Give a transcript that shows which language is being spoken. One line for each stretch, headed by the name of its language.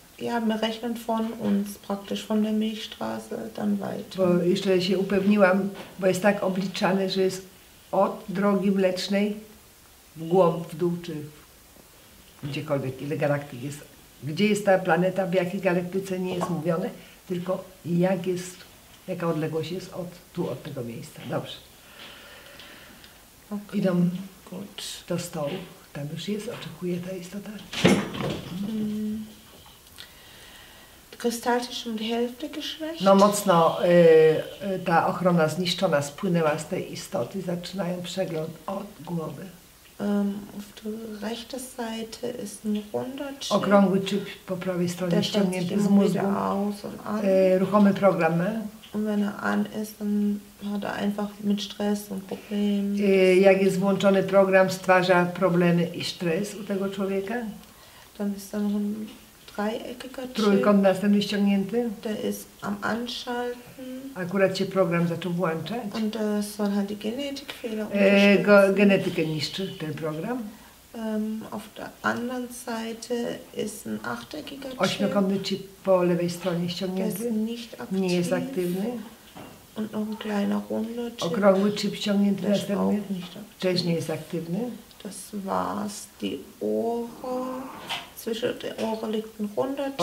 German: Ja, wir rechnen von uns praktisch von der Milchstraße dann weiter.
Polish: Bo jeszcze się upewniłam, bo jest tak obliczane, że jest od Drogi Mlecznej w głąb, w dół, czy gdziekolwiek, ile galaktyk jest. Gdzie jest ta planeta, w jakiej galaktyce nie jest mówione, tylko jak jest. Jaka odległość jest od tu, od tego miejsca. Dobrze. Okay. Idą good. Do stołu. Tam już jest, oczekuje ta istota.
German: Kristallische um die Hälfte geschwächt.
Polish: No mocno ta ochrona zniszczona spłynęła z tej istoty. Zaczynają przegląd od głowy.
German: Auf der rechten Seite ist ein runder Chip.
Polish: Okrągły chip po prawej stronie.
German: Der ściągnięty sich immer wieder aus und an.
Polish: Ruchome Programme.
German: Und wenn er an ist, dann hat er einfach mit Stress und Problemen.
Polish: Jak jest włączony program, stwarza Probleme i Stress u tego człowieka.
German: Dann ist da noch ein dreieckiger Chip.
Polish: Trójkąt następny ściągnięty.
German: Der ist am Anschalten.
Polish: Akurat się program zaczął włączać.
German: Und das soll halt die Genetikfehler unterstützen.
Polish: Genetykę niszczy ten program.
German: Auf der anderen Seite ist ein achteckiger Chip.
Polish: Ośmiokątny chip po lewej stronie ściągnięty.
German: Der ist nicht aktiv.
Polish: Nie jest aktywny.
German: Und noch ein kleiner runder Chip.
Polish: Okrągły chip ściągnięty następny. Też nie jest aktywny.
German: Das war's. Die Ohren. Zwischen den Ohren liegt ein runder Chip.